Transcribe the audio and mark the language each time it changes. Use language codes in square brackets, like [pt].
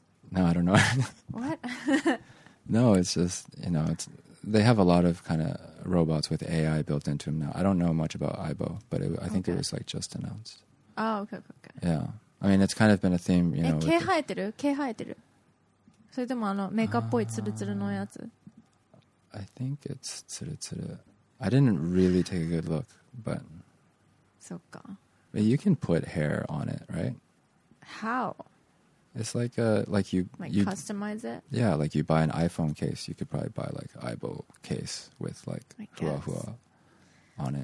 [en] No, I don't know. What? No, it's just, you know, they have a lot of kind of robots with AI built into them now. I don't know much about Aibo, but I think it was like just announced. Oh, okay. Yeah. I mean, it's kind of been a theme, you know. [ja] 毛生えてる?毛生えてる? それともあの、メカっぽいツルツルのやつ? [en] I think it's ツルツル。 I didn't really take a good look, but [ja] そっか。 [en] You can put hair on it, right? How? It's like a like you like you customize it? Yeah, like you buy an iPhone case, you could probably buy like Aibo case with like hua hua on it.